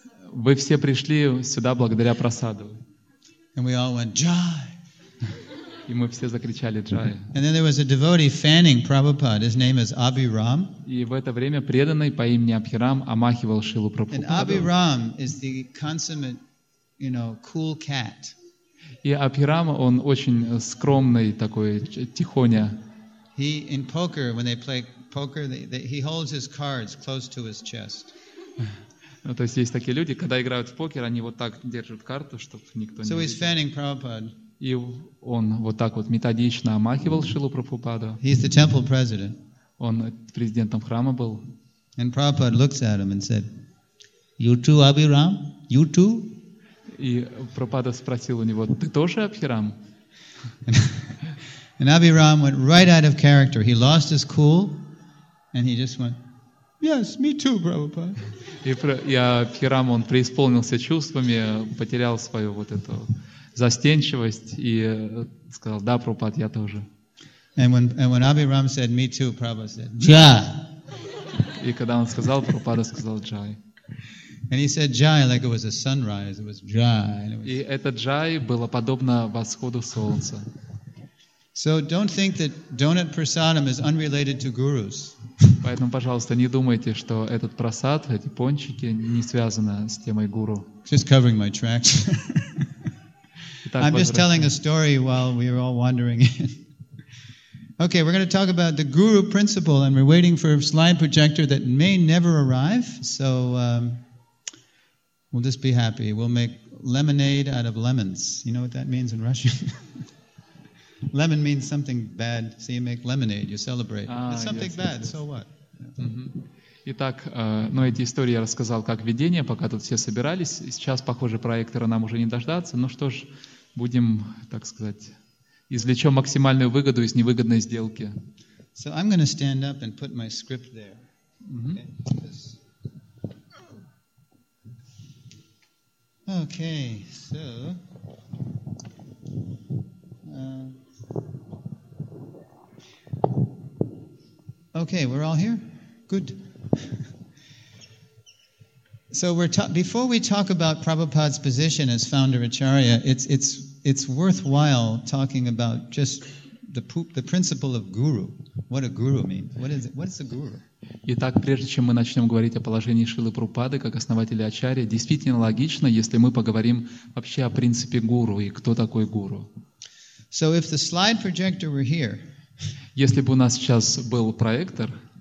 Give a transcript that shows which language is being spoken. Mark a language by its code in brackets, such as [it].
[ru] Вы все пришли сюда благодаря прасаду. [en] And we all went, Jai! [ru] И мы все закричали, Jai! [en] And then there was a devotee fanning Prabhupada. His name is Abhiram. [ru] И в это время преданный по имени Абхирам омахивал Шрилу Прабхупаду. [en] And Abhiram is the consummate, you know, cool cat. [ru] И Абхирам, он очень скромный такой, тихоня. [en] He, in poker, when they play poker, he holds his cards close to his chest. [ru] Ну, то есть есть такие люди, когда играют в покер, они вот так держат карту, чтобы никто не видел. И он вот так вот методично омахивал Шрилу Прабхупаду. [en] He's the temple president. [ru] Он президентом храма был. [en] And Prabhupada looks at him and said, "You too, Abhiram? You too?" [ru] И Прабхупада спросил у него: "Ты тоже Абхирам?" [en] And Abhiram went right out of character. He lost his cool, and he just went. Yes, me too, Prabhupada. [ru] Абхирам, он преисполнился чувствами, потерял свою вот эту застенчивость и сказал: "Да, Прабхупад, я тоже." [en] And when Abhiram said me too, Prabhupada said, "Jai." [ru] И когда он сказал, Прабхупада сказал: "Jai." [en] And he said "Jai" like it was a sunrise. It was Jai. [ru] И это Jai было подобно восходу солнца. [en] So don't think that donut prasadam is unrelated to gurus. [ru] Поэтому, пожалуйста, не думайте, что этот просад, эти пончики, не связаны с темой гуру. [en] Just covering my tracks. I'm just telling a story while we are all wandering in. Okay, we're going to talk about the guru principle, and we're waiting for a slide projector that may never arrive. So we'll just be happy. We'll make lemonade out of lemons. You know what that means in Russian? Lemon means something bad. So you make lemonade, you celebrate. It's something bad, so what? Mm-hmm. [ru] Итак, эти истории я рассказал как видение, пока тут все собирались. Сейчас, похоже, проектора нам уже не дождаться. Ну что ж, будем, так сказать, извлечем максимальную выгоду из невыгодной сделки. [en] So I'm going to stand up and put my script there. Mm-hmm. Okay, so... Okay, we're all here? Good. So before we talk about Prabhupada's position as founder Acharya, it's worthwhile talking about just the principle of guru. What a guru means. What is a guru? [ru] Итак, прежде чем мы начнем говорить о положении Шрилы Прабхупады как основателя Ачарьи, действительно логично, если мы поговорим вообще о принципе гуру и кто такой гуру. [en] So if the slide projector were here, [ru] если бы у нас сейчас был проектор,